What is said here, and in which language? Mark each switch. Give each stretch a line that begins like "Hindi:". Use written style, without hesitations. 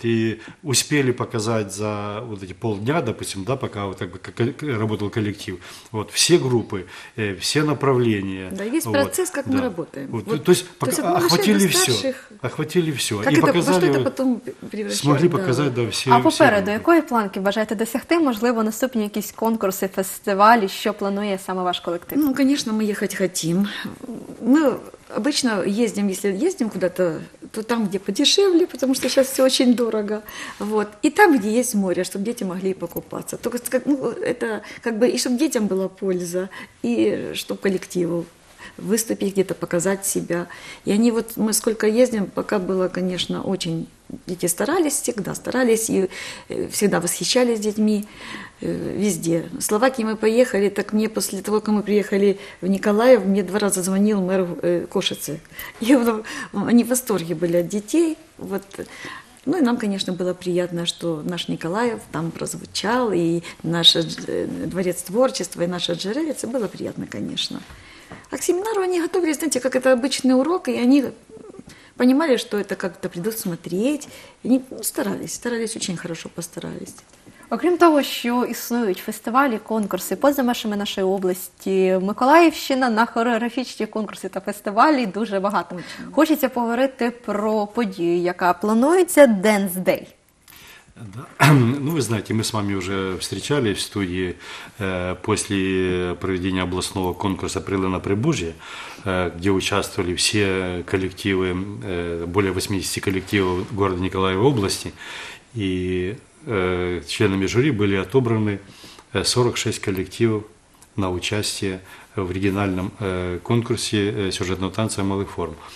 Russian: И успели показать за вот эти полдня, допустим, да, пока вот как работал коллектив, вот, все группы, все направления. Да, весь вот процесс, как, да, мы работаем. Вот. Вот. То есть, охватили все. Охватили все. Как и это, показали, во что это потом превращается? Смогли показать, да, все.
Ukrainian: А попереду,
Russian: до какой планки
Ukrainian: бажаєте досягти, можливо, наступні якісь конкурси, фестивалі, що планує саме ваш колектив? Ну, звісно, ми їхати хочемо.
Russian: Ми обычно ездим, если ездим куда-то, то там, где подешевле, потому что сейчас все очень дорого. Вот. И там, где есть море, чтобы дети могли покупаться. Только, ну, это как бы, и чтобы детям была польза, и чтобы коллективу выступить где-то, показать себя. И они вот, мы сколько ездим, пока было, конечно, очень. Дети старались, всегда старались и всегда восхищались детьми везде. В Словакии мы поехали, так мне после того, как мы приехали в Николаев, мне 2 раза звонил мэр Кошице. И они в восторге были от детей. Вот. Ну и нам, конечно, было приятно, что наш Николаев там прозвучал, и наш дворец творчества, и наша джерелица. Было приятно, конечно. А к семинару они готовились, знаете, как это обычный урок, и они понимали, что это как-то придут смотреть. Они, ну, старались, старались, очень хорошо постарались.
Ukrainian: Окрім того, що існують фестивалі, конкурси поза межами нашої області, Миколаївщина на хореографічні конкурси та фестивалі дуже багато. Хочеться поговорити про подію, яка планується Dance Day.
Russian: Да. Ну, вы знаете, мы с вами уже встречались в студии после проведения областного конкурса «Прилы на Прибужье», где участвовали все коллективы, более 80 коллективов города Николаева области, и членами жюри были отобраны 46 коллективов на участие в оригинальном конкурсе сюжетного танца «Малых форм».